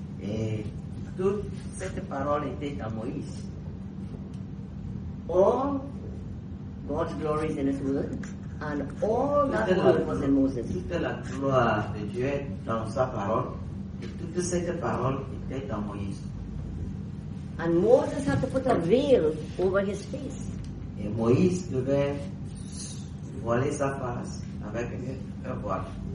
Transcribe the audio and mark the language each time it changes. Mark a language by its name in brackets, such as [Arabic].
[French] Et toute cette parole était à Moïse. [English] All God's glory is in his word. And all [French] toute [English] that word was in Moses. [French] Toute la gloire de Dieu est dans sa parole. Et toute cette parole était à Moïse. [English] And Moses had to put a veil over his face. [French] Et Moïse devait voiler sa face avec un voile.